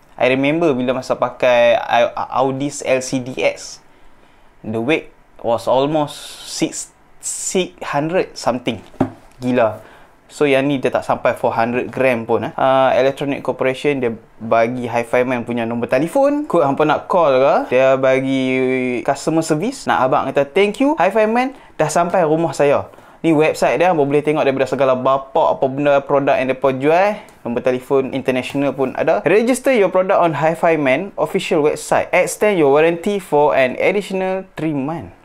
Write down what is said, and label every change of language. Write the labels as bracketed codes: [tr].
[en] I remember [ms] bila masa pakai [en] Audis LCDX, the weight was almost 600 something. [ms] Gila. So yang ni dia tak sampai 400 gram pun. Electronic Corporation, dia bagi HiFiMan punya nombor telefon. Kod hampa nak call ke, dia bagi customer service. Nak abang kata [en] thank you [ms] HiFiMan dah sampai rumah saya. Ni website dia, boleh tengok daripada segala bapak apa benda produk yang mereka jual. Nombor telefon international pun ada. [en] Register your product on HiFiMan official website. Extend your warranty for an additional 3 months.